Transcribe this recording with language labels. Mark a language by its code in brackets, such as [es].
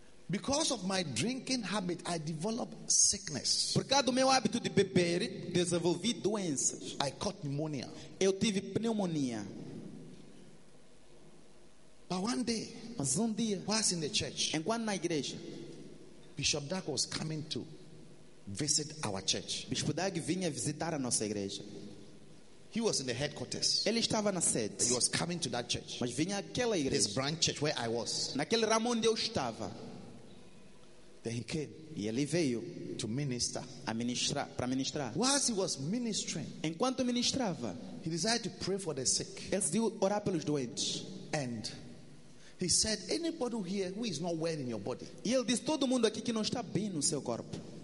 [en] Because of my drinking habit, I developed sickness. [pt] Por causa do meu hábito de beber, desenvolvi doenças. [en] I caught pneumonia. [pt] Eu tive pneumonia. [en] But one day, [pt] mas um dia, [en] whilst in the church, [pt] enquanto na igreja, [en] Bishop Dag was coming to visit our church. [pt] Bispo Dag vinha visitar a nossa igreja. [en] He was in the headquarters. [pt] Ele estava na sede. [en] He was coming to that church. [pt] Mas vinha àquela igreja. [en] His branch church where I was. [pt] Naquele ramo onde eu estava. [en] Then he came. [pt] E ele veio [en] to minister. [pt] A ministrar, para ministrar. [en] Whilst he was ministering, [pt] enquanto ministrava, [en] he decided to pray for the sick. [pt] Ele decidiu orar pelos doentes. [en] And he said, anybody here who is not well in your body, [pt] e ele disse, todo mundo aqui que não está bem no seu corpo,